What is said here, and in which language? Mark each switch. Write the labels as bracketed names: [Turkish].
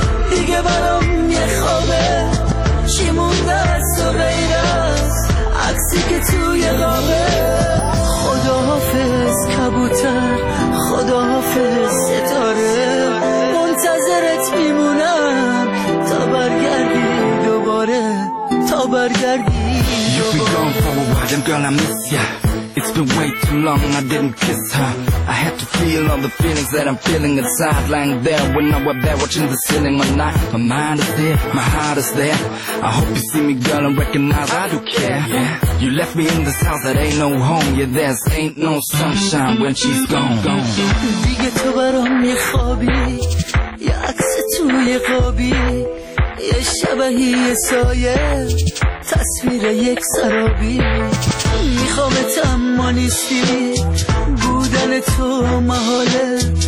[Persian] دیگه برام یه خوابه، چی مونده از تو غیر از عکسی که توی قابه. خداحافظ کبوتر، خداحافظ ستاره، منتظرت میمونم تا برگردی دوباره، تا برگردی دوباره. [English] You'll be gone for a while, damn girl I miss ya. It's been way too long, I didn't kiss her. I had to feel all the feelings that I'm feeling inside. Lying there when I was there watching the ceiling all night. My mind is there, my heart is there. I hope you see me, girl, and recognize I do care, yeah. You left me in this house that ain't no home. Yeah, there's ain't no sunshine when she's gone. [Persian] دیگه تو برام یه خوابی، یه عکس توی خوابی، یه شبه یه سایه، تصویر یک سرابی. میخوام تم نیستی، بودن تو محاله.